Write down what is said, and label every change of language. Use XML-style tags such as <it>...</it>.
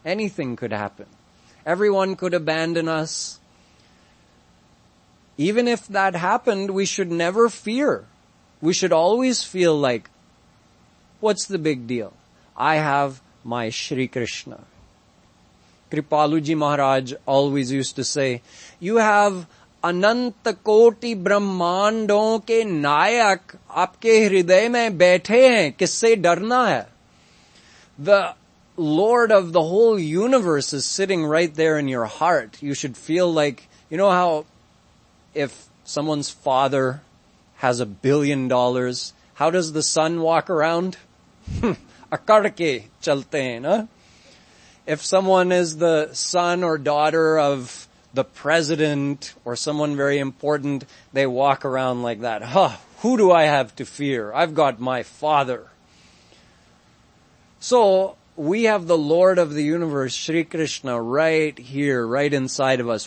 <en>Anything could happen. Everyone could abandon us. Even if that happened, we should never fear. We should always feel like, what's the big deal? I have my Shri Krishna. Kripaluji Maharaj always used to say, you have</en> <hi>अनंत कोटि ब्रह्मांडों के नायक आपके हृदय में बैठे हैं, किससे डरना है?</hi> <en>The Lord of the whole universe is sitting right there in your heart. You should feel like, you know how if someone's father has $1 billion, how does the son walk around?</en> <hi>अकड़के चलते हैं, ना?</hi> <en>If someone is the son or daughter of the president or someone very important, they walk around like that. Huh, who do I have to fear? I've got my father. So we have the Lord of the universe, Shri Krishna, right here, right inside of us.</en>